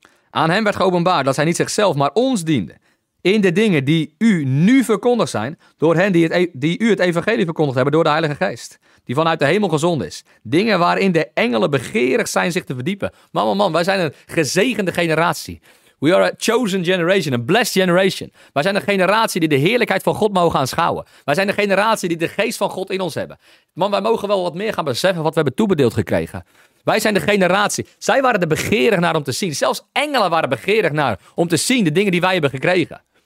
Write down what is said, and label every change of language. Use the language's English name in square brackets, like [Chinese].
[Dutch] Aan hem werd geopenbaard dat hij niet zichzelf, maar ons diende. In de dingen die u nu verkondigd zijn, door hen die u het evangelie verkondigd hebben door de Heilige Geest. Die vanuit de hemel gezonden is. Dingen waarin de engelen begeerig zijn zich te verdiepen. Man, wij zijn een gezegende generatie. [English] We are a chosen generation, a blessed generation. [Dutch] Wij zijn een generatie die de heerlijkheid van God mogen aanschouwen. Wij zijn de generatie die de geest van God in ons hebben. Man, wij mogen wel wat meer gaan beseffen wat we hebben toebedeeld gekregen. Wij zijn de generatie. Zij waren er begeerig naar om te zien. Zelfs engelen waren begeerig naar om te zien de dingen die wij hebben gekregen.